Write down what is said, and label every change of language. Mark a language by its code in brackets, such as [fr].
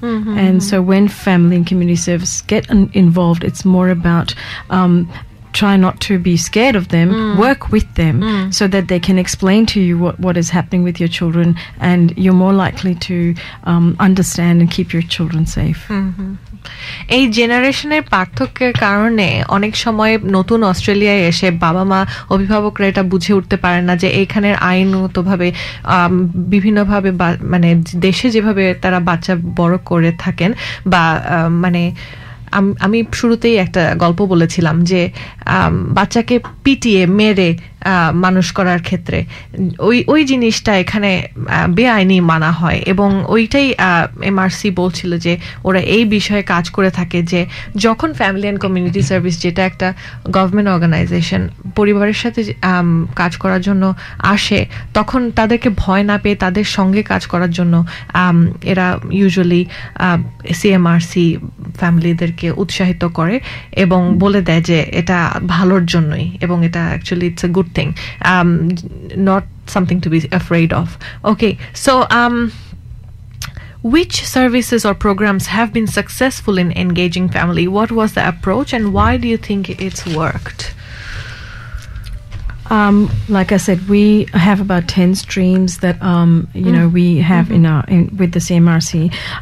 [en] And so when family and community services get involved, it's more about try not to be scared of them, work with them so that they can explain to you what is happening with your children, and you're more likely to understand and keep your children safe. [bn] এই জেনারেশনের পার্থক্যের কারণে অনেক সময় নতুন অস্ট্রেলিয়ায় এসে বাবা মা অভিভাবকরা এটা বুঝে উঠতে পারে না যে এখানের আইনগতভাবে বিভিন্নভাবে মানে দেশে যেভাবে তারা বাচ্চা বড় করে থাকেন বা মানে আমি শুরুতেই একটা গল্প বলেছিলাম যে বাচ্চাকে পিটিয়ে মেরে মানুষ করার ক্ষেত্রে ওই ওই জিনিসটা এখানে বেআইনি মানা হয় এবং ওইটাই এমআরসি বলছিল যে ওরা এই বিষয়ে কাজ করে থাকে যে যখন ফ্যামিলি অ্যান্ড কমিউনিটি সার্ভিস যেটা একটা গভর্নমেন্ট অর্গানাইজেশন পরিবারের সাথে কাজ করার জন্য আসে তখন তাদেরকে ভয় না পেয়ে তাদের সঙ্গে কাজ করার জন্য এরা ইউজুয়ালি সিএমআরসি ফ্যামিলিদেরকে উৎসাহিত করে এবং বলে দেয় যে এটা ভালোর জন্যই এবং এটা actually [en] It's good thing, not something to be afraid of. Okay, so which services or programs have been successful in engaging family? What was the approach and why do you think it's worked? Like I said, we have about 10 streams that know we have with the CMRC.